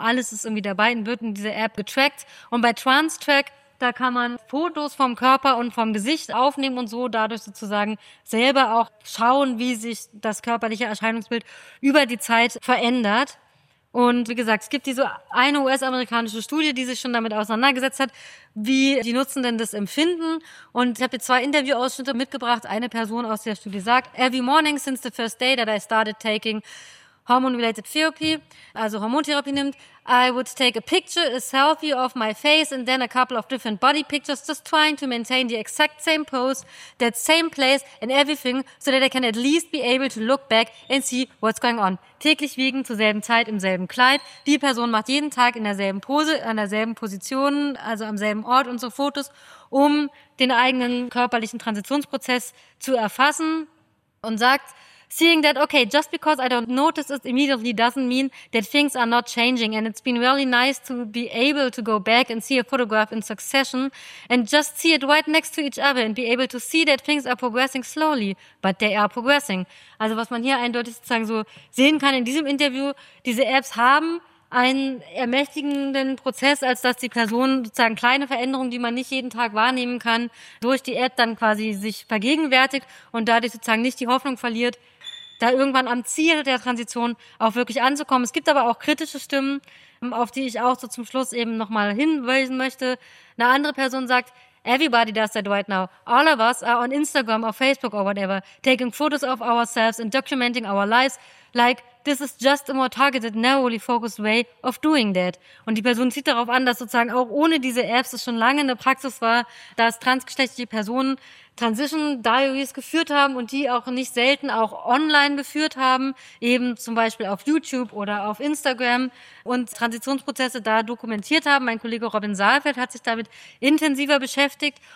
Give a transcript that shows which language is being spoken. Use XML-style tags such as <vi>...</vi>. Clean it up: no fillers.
<de>Alles ist irgendwie dabei und wird in dieser App getrackt. Und bei TransTrack, da kann man Fotos vom Körper und vom Gesicht aufnehmen und so dadurch sozusagen selber auch schauen, wie sich das körperliche Erscheinungsbild über die Zeit verändert. Und wie gesagt, es gibt diese eine US-amerikanische Studie, die sich schon damit auseinandergesetzt hat, wie die Nutzenden das empfinden. Und ich habe hier zwei Interviewausschnitte mitgebracht. Eine Person aus der Studie sagt,</de> <en>every morning since the first day that I started taking hormone-related therapy,</en> <de>also Hormontherapie nimmt,</de> <en>I would take a picture, a selfie of my face and then a couple of different body pictures, just trying to maintain the exact same pose, that same place and everything, so that I can at least be able to look back and see what's going on.</en> <de>Täglich wiegen, zur selben Zeit, im selben Kleid. Die Person macht jeden Tag in derselben Pose, an derselben Position, also am selben Ort und so Fotos, um den eigenen körperlichen Transitionsprozess zu erfassen und sagt,</de> <en>seeing that, okay, just because I don't notice it immediately doesn't mean that things are not changing. And it's been really nice to be able to go back and see a photograph in succession and just see it right next to each other and be able to see that things are progressing slowly, but they are progressing.</en> <de>Also was man hier eindeutig sozusagen so sehen kann in diesem Interview, diese Apps haben einen ermächtigenden Prozess, als dass die Person sozusagen kleine Veränderungen, die man nicht jeden Tag wahrnehmen kann, durch die App dann quasi sich vergegenwärtigt und dadurch sozusagen nicht die Hoffnung verliert, da irgendwann am Ziel der Transition auch wirklich anzukommen. Es gibt aber auch kritische Stimmen, auf die ich auch so zum Schluss eben nochmal hinweisen möchte. Eine andere Person sagt,</de> <en>everybody does that right now. All of us are on Instagram or Facebook or whatever, taking photos of ourselves and documenting our lives. Like, this is just a more targeted, narrowly focused way of doing that.</en> <de>Und die Person zieht darauf an, dass sozusagen auch ohne diese Apps es schon lange eine Praxis war, dass transgeschlechtliche Personen Transition Diaries geführt haben und die auch nicht selten auch online geführt haben, eben zum Beispiel auf YouTube oder auf Instagram und Transitionsprozesse da dokumentiert haben. Mein Kollege Robin Saalfeld hat sich damit intensiver beschäftigt</de>